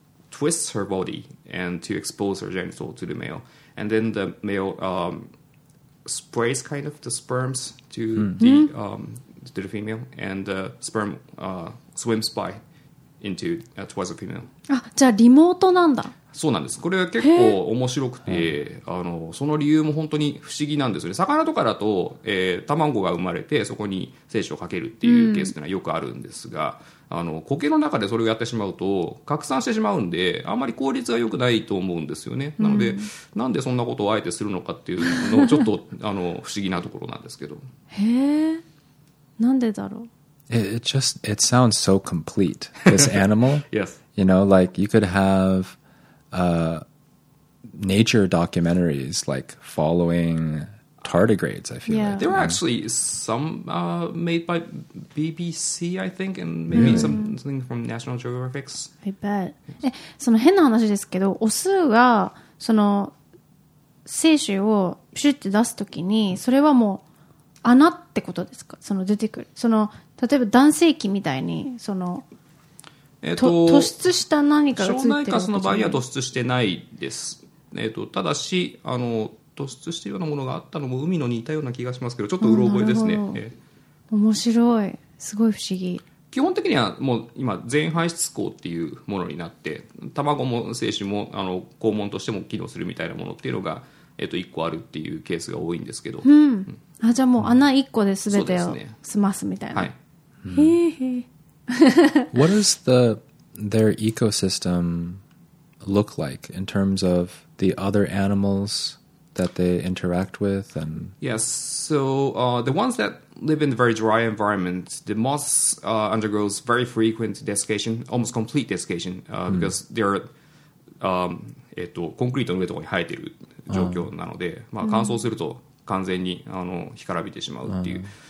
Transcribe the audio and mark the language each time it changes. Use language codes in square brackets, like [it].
[en] twists her body and to expose her genital to the male, and then the male sprays kind of the sperms to to the female, and the sperm swims by into towards the female. [ja] Ah, じゃあリモートなんだ。そうなんです。これは結構面白くて、その理由も本当に不思議なんですよね。魚とかだと、卵が生まれてそこに精子をかけるっていうケースってのはよくあるんですが、苔の中でそれをやってしまうと拡散してしまうんで、あんまり効率が良くないと思うんですよね。なので、なんでそんなことをあえてするのかっていうのをちょっと不思議なところなんですけど。へえ、なんでだろう。 [en] It sounds so complete. This animal. Yes. You know, like you could have. Nature documentaries like following tardigrades, I feel like. There were actually some made by BBC, I think, and maybe something from National Geographic. I bet. [ja] その変な話ですけど、オスがその精子をプシュッて出すときに、それはもう穴ってことですか？その出てくる。その例えば男性器みたいに、その突出した何かがついてる。ショーナイカスの場合は突出してないです。ただし突出しているようなものがあったのも海のに似たような気がしますけど、ちょっとうろ覚えですね。面白い、すごい不思議。基本的にはもう今全排出口っていうものになって、卵も精子も肛門としても機能するみたいなものっていうのが、1個あるっていうケースが多いんですけど、あ、じゃあもう穴1個で全てを済ますみたいな、はい、へえへえ。 [en] What does their ecosystem look like in terms of the other animals that they interact with? And yes, so the ones that live in a very dry environment, the moss undergoes very frequent desiccation, almost complete desiccation, because they're concrete [ja] の上とかに生えてる状況なので、まあ乾燥すると完全に干からびてしまうっていう。